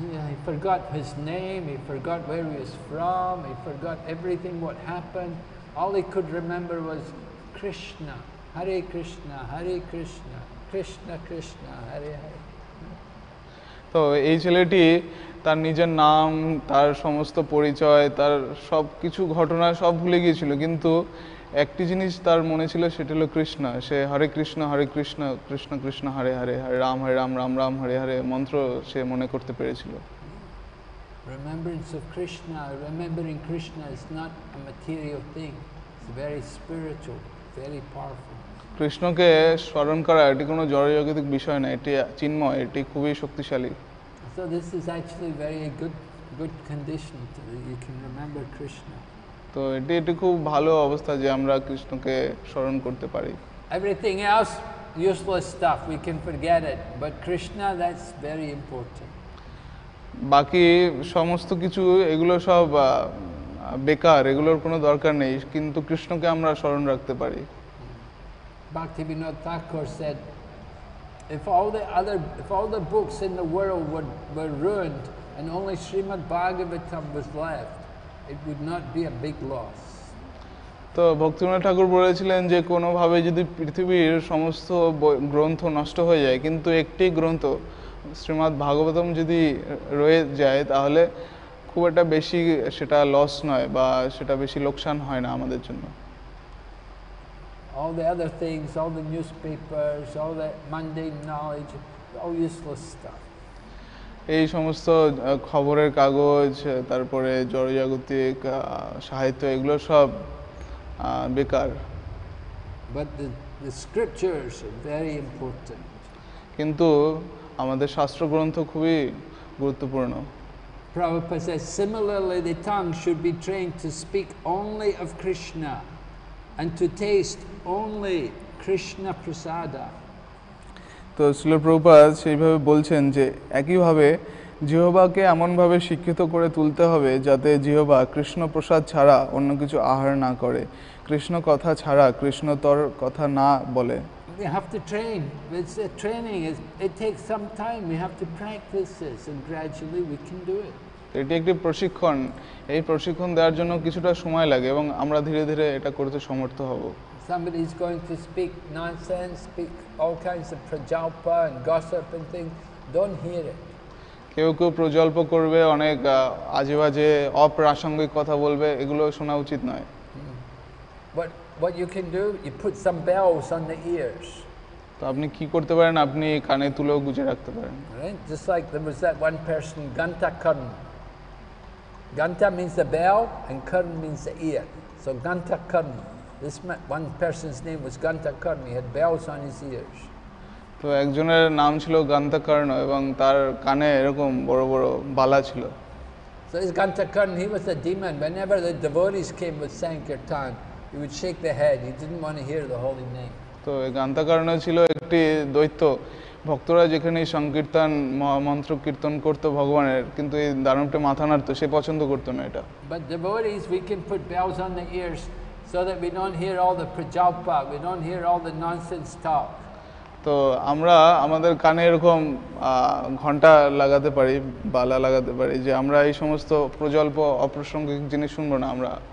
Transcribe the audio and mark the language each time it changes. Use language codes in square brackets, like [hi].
[en] He forgot his name, he forgot where he was from, he forgot everything what happened. All he could remember was Krishna, Hare Krishna, Hare Krishna, Krishna Krishna, Hare Hare. [bn] তো এই ছেলেটি তার নিজের নাম, তার সমস্ত পরিচয়, তার সব কিছু ঘটনা সব ভুলে গিয়েছিল, কিন্তু একটি জিনিস তার মনে ছিল, সেটি হলো কৃষ্ণ। সে হরে কৃষ্ণ হরে কৃষ্ণ কৃষ্ণ কৃষ্ণ হরে হরে, হরে রাম রাম রাম হরে হরে মন্ত্র সে মনে করতে পেরেছিল। [en] Remembrance of Krishna, remembering Krishna is not a material thing. It's very spiritual, very powerful. [bn] কৃষ্ণকে স্মরণ করা এটি কোনো জড়জাগতিক বিষয় না, এটি চিন্ময়, এটি খুবই শক্তিশালী। [en] So this is actually very good condition to, you can remember Krishna. [bn] তো এটি খুব ভালো অবস্থা যে আমরা কৃষ্ণকে স্মরণ করতে পারি। [en] Everything else useless stuff, we can forget it. But Krishna, that's very important. [bn] বাকি সমস্ত কিছু এগুলো সব বেকার, এগুলোর কোনো দরকার নেই, কিন্তু কৃষ্ণকে আমরা স্মরণ রাখতে পারি। [en] Bhaktivinoda Thakur said, if all the books in the world were ruined and only Srimad Bhagavatam was left, it would not be a big loss. [bn] তো ভক্তিবিনোদ ঠাকুর বলেছিলেন যে কোনোভাবে যদি পৃথিবীর সমস্ত গ্রন্থ নষ্ট হয়ে যায়, কিন্তু একটি গ্রন্থ শ্রীমদ্ ভাগবতম যদি রয়ে যায়, তাহলে খুব একটা বেশি সেটা লস নয় বা সেটা বেশি লোকসান হয় না আমাদের জন্য। [en] All the other things, all the newspapers, all the mundane knowledge, all useless stuff. [bn] এই সমস্ত খবরের কাগজ, তারপরে জড়জাগতিক সাহিত্য, এগুলো সব বেকার। [en] But the scriptures are very important. [bn] কিন্তু আমাদের শাস্ত্রগ্রন্থ খুবই গুরুত্বপূর্ণ। [en] Prabhupada says, similarly, the tongue should be trained to speak only of Krishna and to taste only Krishna prasada. [bn] তো শ্রীল প্রভুপাদ সেইভাবে বলছেন যে একইভাবে জিহ্বাকে এমনভাবে শিক্ষিত করে তুলতে হবে যাতে জিহ্বা কৃষ্ণ প্রসাদ ছাড়া অন্য কিছু আহার না করে, কৃষ্ণ কথা ছাড়া কৃষ্ণতর কথা না বলে। [en] We have to train. It's a training. It takes some time. We have to practice this and gradually we can do it. [bn] এটি একটি প্রশিক্ষণ। এই প্রশিক্ষণ দেওয়ার জন্য কিছুটা সময় লাগে এবং আমরা ধীরে ধীরে এটা করতে সমর্থ হব। [en] Somebody is going to speak nonsense, speak all kinds of prajalpa and gossip and things. Don't hear it. [bn] কেউ কেউ প্রজল্প করবে, অনেক আজেবাজে অপ্রাসঙ্গিক কথা বলবে, এগুলো শোনা উচিত নয়। [en] But what you can do, you put some bells on the ears. [bn] তো আপনি কি করতে পারেন, আপনি কানে তুলো গুঁজে রাখতে পারেন। [en] Right? Just like there was that one person, Ganta Karn. Ganta means the bell and Karn means the ear. So Ganta Karn. This one person's name was Ganta Karn. He had bells on his ears. [bn] তো একজনের নাম ছিল গান্তকর্ণ এবং তার কানে এরকম বড় বড় বালা ছিল। [en] So this Gantakarna, he was a demon. Whenever the devotees came with Sankirtan, he would shake their head. He didn't want to hear the holy name. [bn] তো গান্তকর্ণ ছিল একটি দৈত্য। ভক্তরা যেখানে সংকীর্তন মন্ত্র কীর্তন করত ভগবানের, কিন্তু এই দানবটা মাথা নাড়তো, সে পছন্দ করত না এটা। [en] But devotees, we can put bells on the ears so that we don't hear all the prajalpa, we don't hear all the nonsense talk. [bn] তো আমরা আমাদের কানে এরকম ঘন্টা লাগাতে পারি, বালা লাগাতে পারি, যে আমরা এই সমস্ত প্রজল্প অপ্রাসঙ্গিক জিনিস শুনবো না আমরা।